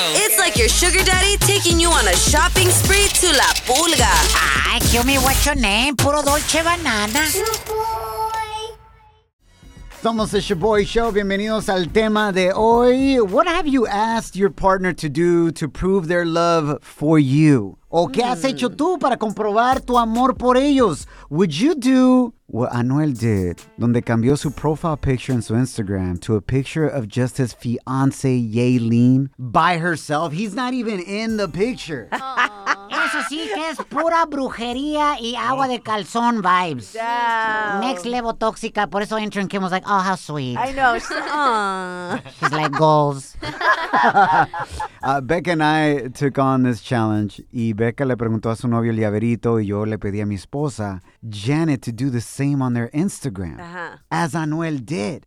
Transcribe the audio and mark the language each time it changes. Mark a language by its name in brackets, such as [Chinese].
[English] It's like your sugar daddy taking you on a shopping spree to La Pulga. Ay, kill me what's your name? Puro Dolce Banana. Shaboy. [Spanish] Somos the Shaboy Show. Bienvenidos al tema de hoy. [English] What have you asked your partner to do to prove their love for you? [Spanish] ¿O qué has hecho tú para comprobar tu amor por ellos? [English] Would you do what Anuel did, [Spanish] donde cambió su [English] profile picture [Spanish] en su [English] Instagram to a picture of just his fiance, Yaelin, by herself? He's not even in the picture. [Spanish] Eso sí que es pura brujería y agua de calzón vibes. [English] Damn. Next level tóxica. [Spanish] Por eso entran [English] Kim was like, oh, how sweet. I know. She's like, goals. Becca and I took on this challenge. [Spanish] Y Becca le preguntó a su novio, el Llaverito, y yo le pedí a mi esposa, Janet, [English] to do the same on their Instagram, as Anuel did.